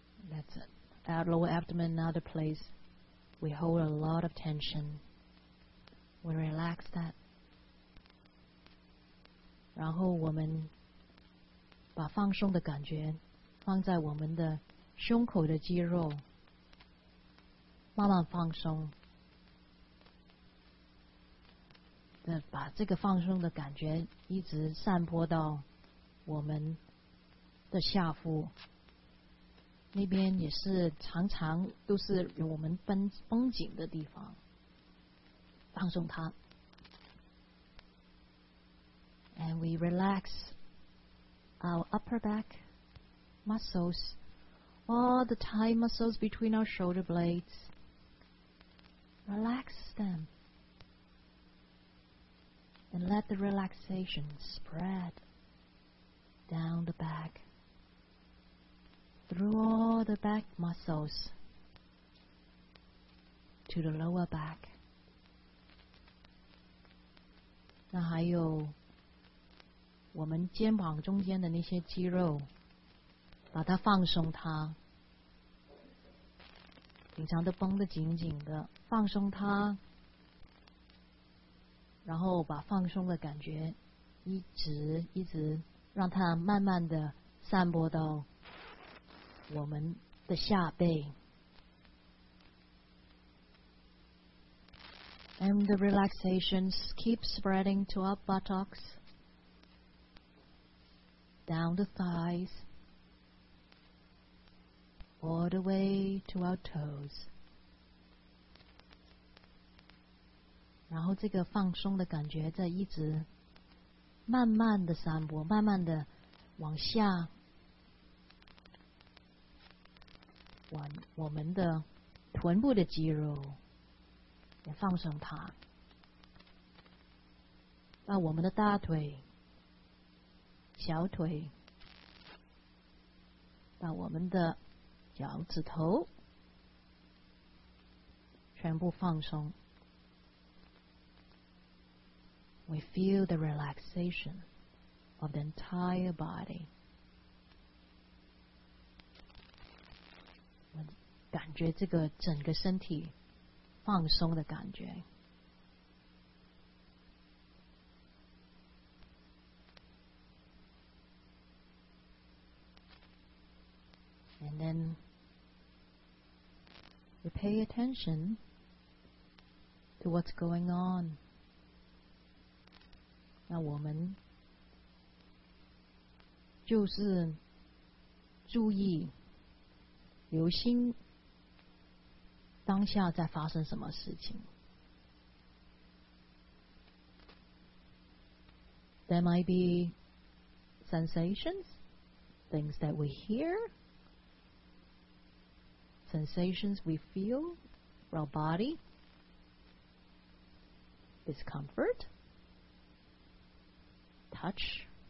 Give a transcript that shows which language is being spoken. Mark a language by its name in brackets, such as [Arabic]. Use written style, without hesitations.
[English] That's our lower abdomen, another place we hold a lot of tension. We relax that. [Chinese] 然后我们把放松的感觉放在我们的胸口的肌肉，慢慢放松。把这个放松的感觉一直散播到我们的下腹，那边也是常常都是有我们绷紧的地方，放松它。 [English] And we relax our upper back muscles, all the thigh muscles between our shoulder blades. Relax them. And let the relaxation spread down the back through all the back muscles to the lower back. [Chinese] 那还有我们肩膀中间的那些肌肉，把它放松它，平常都绷得紧紧的，放松它，然后把放松的感觉一直一直让它慢慢的散播到我们的下背。 [English] And the relaxations keep spreading to our buttocks, down the thighs, all the way to our toes. [Chinese] 然后这个放松的感觉在一直慢慢的散播，慢慢的往下，往我们的臀部的肌肉也放松它，到我们的大腿、小腿，到我们的脚趾头，全部放松。 [English] We feel the relaxation of the entire body. [Chinese] 我感觉这个整个身体放松的感觉。 [English] And then we pay attention to what's going on. [Chinese] 那我们就是注意留心当下在发生什么事情。 [English] There might be sensations, things that we hear, sensations we feel for our body, discomfort, touch.